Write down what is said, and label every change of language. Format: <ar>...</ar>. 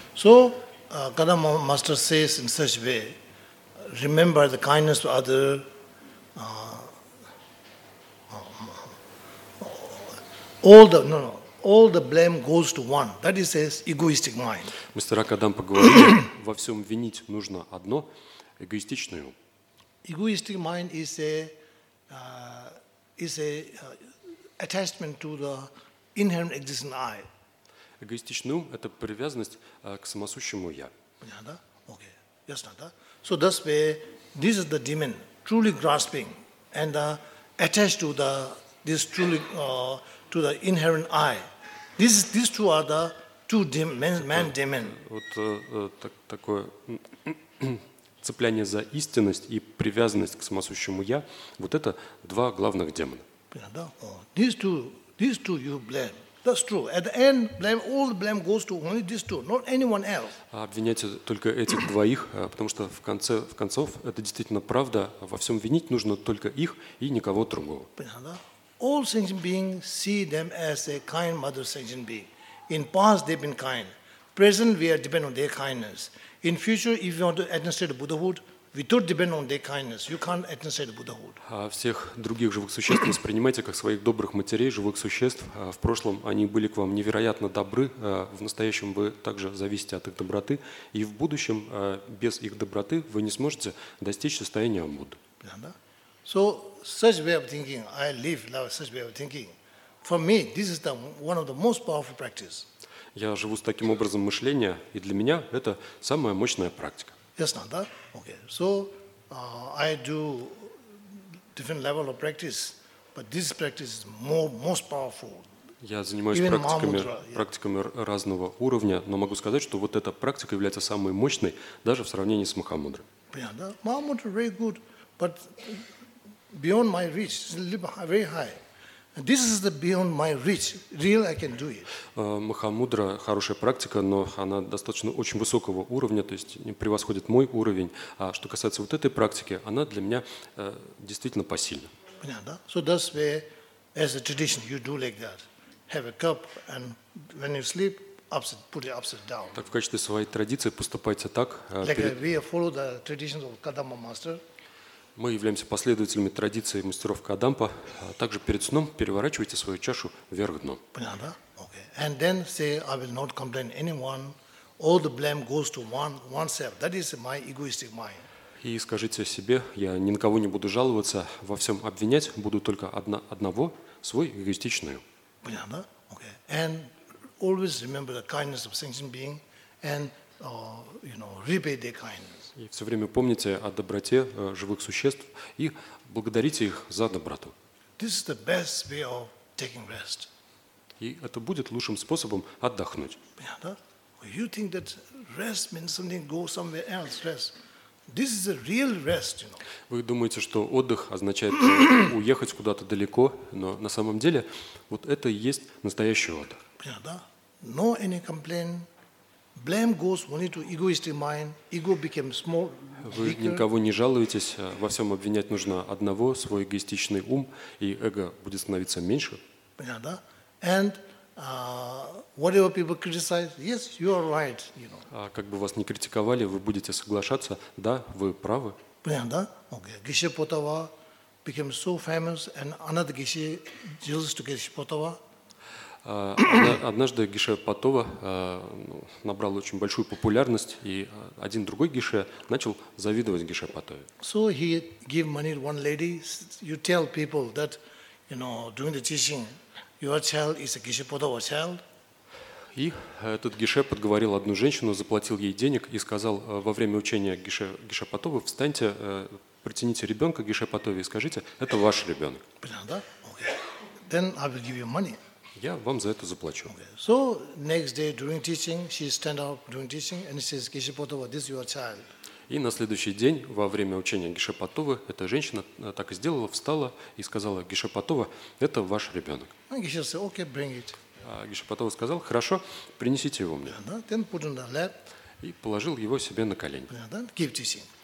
<en>So,</en> <ru>когда мастер</ru> <en>says in such a way, remember the kindness of other, all the blame goes to one. That is his egoistic mind.</en> <ru>Мистер Акадам поговорил, во всем винить нужно одно, эгоистичную.</ru> <en>Egoistic mind is a attachment to the inherent existing I.</en> <ru>Эгоистичный ум – это привязанность к самосущему я. Понятно, да? Okay. Ясно, да?</ru> <en>So that's where this is the demon truly grasping and attached to the inherent I. These two are the two man demon.</en> <ru>Вот такое цепляние за истинность и привязанность к самосущему я. Вот это два главных демона.</ru> <en>These two you blame. That's true. At the end, all the blame goes to only these two, not anyone else.</en> <ru>Обвиняйте только этих двоих, потому что в конце концов это действительно правда. Во всем винить нужно только их и никого другого.</ru> <en>All sentient beings see them as a kind mother sentient being. In past they've been kind. Present we are dependent on their kindness. In future, if you want to attain Buddhahood, we do depend on their kindness. You can't attain Buddhahood.</en> <ru>А всех других живых существ воспринимайте как своих добрых матерей, живых существ. В прошлом они были к вам невероятно добры. В настоящем вы также зависите от их доброты. И в будущем без их доброты вы не сможете достичь состояния Будды.</ru> <en>So such way of thinking, I live now such way of thinking. For me, this is one of the most powerful practice.</en> <ru>Я живу с таким образом мышления, и для меня это самая мощная практика. Ясно, да? Okay.</ru> <en>So I do different level of practice, but this practice is most powerful.</en> <ru>Я занимаюсь практиками разного уровня, но могу сказать, что вот эта практика является самой мощной, даже в сравнении с Махамудрой. Понятно, да?</ru> <en>Махамудра very good, but beyond my reach, very high. This is the beyond my reach. Really, I can do it.</en> <ru>Махамудра – хорошая практика, но она достаточно очень высокого уровня, то есть превосходит мой уровень. А что касается вот этой практики, она для меня действительно посильна. Понятно.</ru> <en>So that's where, as a tradition, you do like that. Have a cup, and when you sleep, upside, put it upside down.</en> <ru>Так в качестве своей традиции поступайте так.</ru> <en>We follow the traditions of Kadampa master.</en> <ru>Мы являемся последователями традиции мастеров Кадампа. Также перед сном переворачивайте свою чашу вверх дном. Понятно? Okay.</ru> <en>And then say, I will not complain anyone. All the blame goes to oneself. That is my egoistic mind.</en> <ru>И скажите себе, я ни на кого не буду жаловаться, во всем обвинять буду только одного, свой эгоистичную. Понятно? Okay.</ru> <en>And always remember the kindness of sentient being and, you know, repay their kindness.</en> <ru>И все время помните о доброте живых существ и благодарите их за доброту.</ru> <en>This is the best way of taking rest.</en> <ru>И это будет лучшим способом отдохнуть.</ru> <en>Yeah, you think that rest means something, go somewhere else, rest. This is a real rest, you know.</en> <ru>Вы думаете, что отдых означает уехать куда-то далеко, но на самом деле вот это и есть настоящий отдых.</ru> <en>Yeah, no any complaint. Blame goes only to egoistic mind. Ego became small.</en> <ru>Вы никого не жалуетесь, во всем обвинять нужно одного, свой эгоистичный ум, и эго будет становиться меньше. Понятно?</ru> <en>And whatever people criticize, yes, you are right, you know.</en> <ru>А как бы вас ни критиковали, вы будете соглашаться, да, вы правы. Понятно?</ru> <en>Okay. Geshe Potawa became so famous, and another Geshe jealous to Geshe Potawa.</en> <ru>Однажды Геше Потова набрал очень большую популярность, и один другой Геше начал завидовать Геше Потове.</ru> <en>So he gave money to one lady. You tell people that, you know, doing the teaching, your child is a Геше Потова child.</en> <ru>И этот Геше подговорил одну женщину, заплатил ей денег и сказал во время учения Геше Потовы, встаньте, притяните ребенка Геше Потове и скажите, это ваш ребенок. Понятно?</ru> <en>Okay. Then I will give you money.</en> <ru>Я вам за это заплачу.</ru> <en>So next day during teaching, she stand up during teaching and says, Geshe Potawa, this is your child.</en> <ru>И на следующий день во время учения Геше Потовы эта женщина так и сделала, встала и сказала, Геше Потова, это ваш ребенок.</ru> <en>And Geshe said, okay, bring it.</en> <ru>А Геше Потова сказал, хорошо, принесите его мне.</ru> <en>Then put on the lap.</en> <ru>И положил его себе на колени.</ru> <en>Keep teaching.</en>